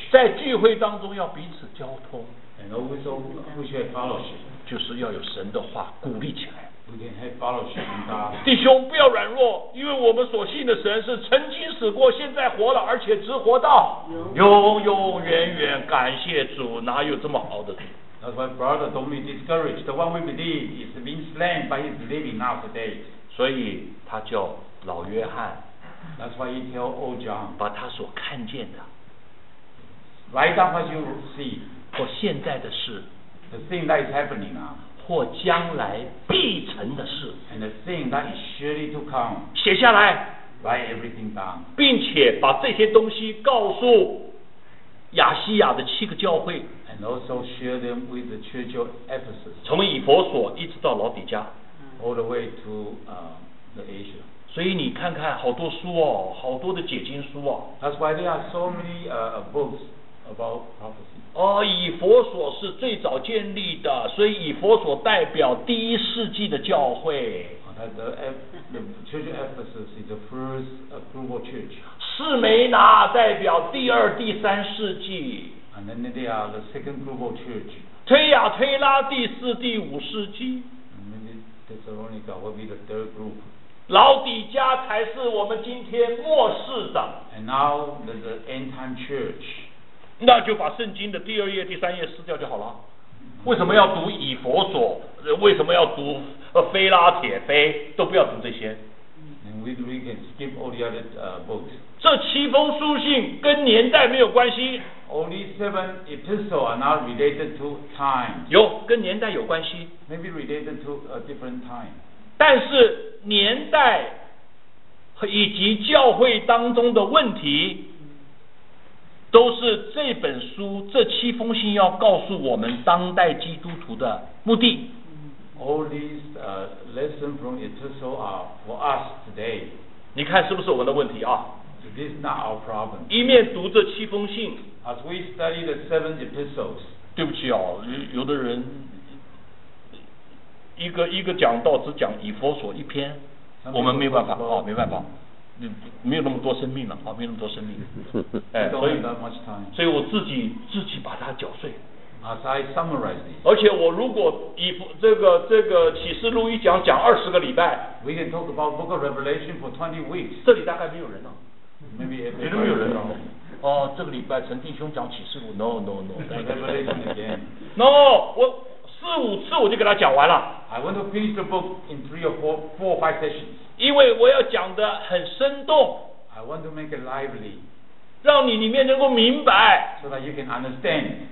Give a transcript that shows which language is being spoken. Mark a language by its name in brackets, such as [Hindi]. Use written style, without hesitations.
[Chinese] 在聚会当中要彼此交通 [English] ，and always have fellowship. [Chinese] 就是要有神的话鼓励起来。 [English] We can have fellowship in God. [Chinese] 弟兄不要软弱，因为我们所信的神是曾经死过，现在活了，而且直活到永永远远。感谢主，哪有这么好的主 [English] ？That's why, brother, don't be discouraged. The one we believe is being slain, but he's living now today. [Chinese] 所以他叫老约翰。 [English] That's why he tell old John. [Chinese] 把他所看见的 [English] ，write down what you see. [Chinese] 或现在的事 [English] ，the thing that is happening now. [Chinese] 或将来必成的事 [English] ，and the thing that is surely to come， [Chinese] 写下来 [English] ，write everything down， [Chinese] 并且把这些东西告诉亚西亚的七个教会 [English] ，and also share them with the church of Ephesus， [Chinese] 从以弗所一直到老底家 [English] ，all the way to the Asia， [Chinese] 所以你看看好多书哦，好多的解经书哦。 [English] That's why there are so many books about prophecy. [Chinese] 哦，以佛所是最早建立的，所以以佛所代表第一世纪的教会。 [English] The church of Ephesus is the first approval church. [Chinese] 士梅拿代表第二、第三世纪。 [English] And then they are the second approval church. [Chinese] 推亚推拉第四、第五世纪。 [English] And then Thessalonica will be the third group. [Chinese] 老底家才是我们今天末世的。 [English] And now there's an end time church. [Chinese] 那就把圣经的第二页、第三页撕掉就好了。为什么要读以弗所？为什么要读腓拉铁腓？都不要读这些。 [English] And we can skip all the other books. [Chinese] 这七封书信跟年代没有关系。 [English] Only seven epistles are not related to time. [Chinese] 有，跟年代有关系。 [English] Maybe related to a different time. [Chinese] 但是年代以及教会当中的问题都是这本书这七封信要告诉我们当代基督徒的目的。 [English] All these lessons from Epistle are for us today. [Chinese] 你看是不是我的问题啊？ [English] This is not our problem. [Chinese] 一面读这七封信， [English] As we study the seven epistles. [Chinese] 对不起啊，有的人一个一个讲道只讲以弗所一篇，我们没办法啊、哦，没办法，没有那么多生命了啊、哦，没有那么多生命，哎，所以我自己把它搅碎。 [English] As I summarize this, [Chinese] 而且我如果以这个启示录一讲二十个礼拜 [English] ，We can talk about Book of Revelation for 20 weeks。 [Chinese] 这里大概没有人了、啊、 [English] ，Maybe [Chinese] 绝对没有人了、啊。哦，这个礼拜陈弟兄讲启示录 ， [English] No， Revelation again。 No， [Chinese] 我。四五次我就给他讲完了。 [English] I want to finish the book in three or four or five sessions. [Chinese] 因为我要讲的很生动。 [English] I want to make it lively. [Chinese] 让你里面能够明白。 [English] So that you can understand.